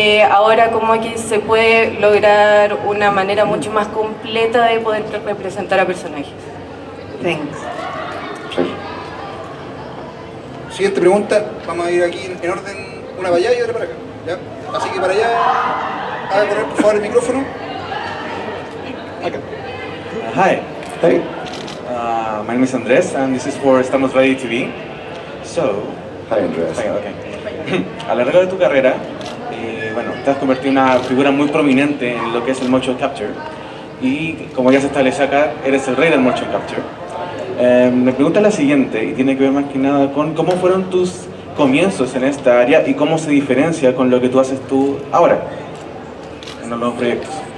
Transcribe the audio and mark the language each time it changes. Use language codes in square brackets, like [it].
[es] ahora como que se puede lograr una manera mucho más completa de poder representar a personajes. [en] Thanks. [es] Siguiente pregunta, vamos a ir aquí en orden, una para allá y otra para acá, ¿ya? Así que para allá, a correr por favor el micrófono. Acá. [en] Hi. Hey. My name is Andres and this is for Estamos Ready TV. So... Hi Andres. Hi, okay. [es] A lo largo de tu carrera, bueno, te has convertido en una figura muy prominente en lo que es el motion capture. Y como ya se establece acá, eres el rey del motion capture. Me pregunta la siguiente, y tiene que ver más que nada con cómo fueron tus comienzos en esta área y cómo se diferencia con lo que tú haces tú ahora, en los nuevos proyectos.